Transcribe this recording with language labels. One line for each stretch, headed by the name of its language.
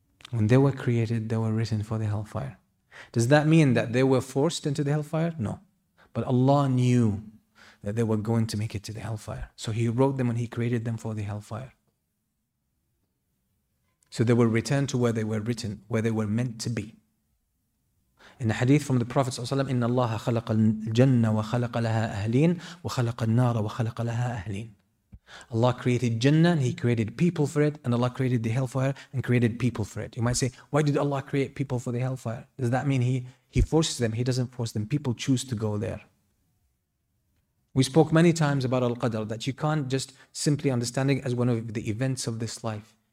English: When they were created, they were written for the hellfire. Does that mean that they were forced into the hellfire? No. But Allah knew that they were going to make it to the hellfire. So He wrote them and He created them for the hellfire. So they were returned to where they were written, where they were meant to be. In a hadith from the Prophet
Arabic: ﷺ, إِنَّ اللَّهَ خَلَقَ الْجَنَّ وَخَلَقَ لَهَا أَهْلِينَ وَخَلَقَ النَّارَ وَخَلَقَ لَهَا أَهْلِينَ.
English: Allah created Jannah and He created people for it, and Allah created the hellfire and created people for it. You might say, why did Allah create people for the hellfire? Does that mean He forces them? He doesn't force them. People choose to go there. We spoke many times about Al-Qadr, that you can't just simply understand it as one of the events of this life.